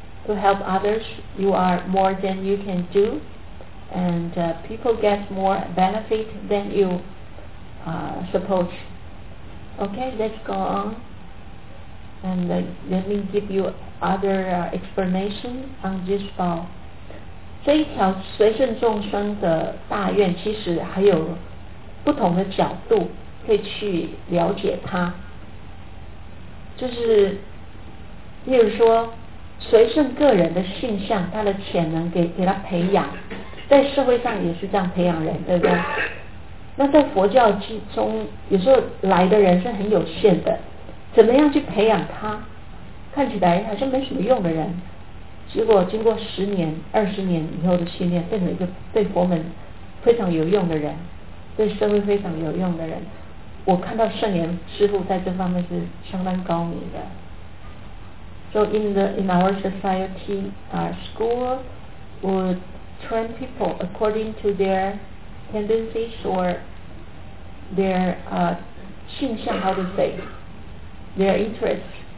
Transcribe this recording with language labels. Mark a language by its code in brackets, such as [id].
[en] To help others, you are more than you can do, and people get more benefit than you suppose. Okay, let's go on. And let me give you other explanation on this bow. [zh] 这一条随顺众生的大愿其实还有不同的角度可以去了解它。就是例如说随顺个人的性向，他的潜能给他培养，在社会上也是这样培养人，对不对？那在佛教中，有时候来的人是很有限的，怎么样去培养他？看起来好像没什么用的人，结果经过十年、二十年以后的训练，变成一个对佛门非常有用的人，对社会非常有用的人。我看到圣严师父在这方面是相当高明的。 [en] So in our society, school would train people according to their tendencies or their interests.